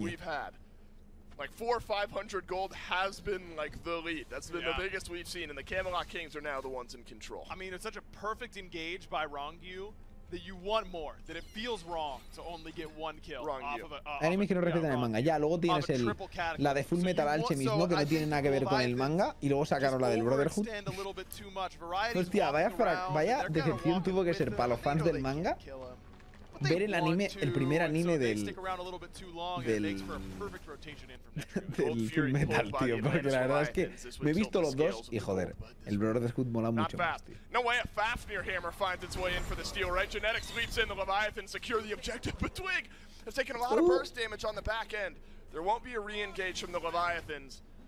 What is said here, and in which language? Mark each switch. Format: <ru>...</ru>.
<en>we've had, like 400-500 gold has been like the lead. That's been the biggest we've seen, and the Camelot Kings are now the ones in control. I mean, it's such a perfect engage by Rongyu that you want more. That it feels wrong to only get one kill Rongyu off of a.</en> <es>Enemies que no respetan el manga. Ya luego tienes el la de Full Metal Alchemist, ¿no? Que no tiene nada que ver con el manga. Y luego sacaron la del Brotherhood. Hostia, vaya decepción tuvo que ser para los fans del manga. Ver el anime, el primer anime del Full Metal, tío, porque la verdad es que me he visto los dos y joder, el Brotherhood mola mucho.</es> <en>No way a Fafnir hammer finds its way in for the steal, right? Genetics leaps in, the Leviathan secure the objective, but Twig has taken a lot of burst damage on the back end. There won't be a re-engage from the Leviathans.</en>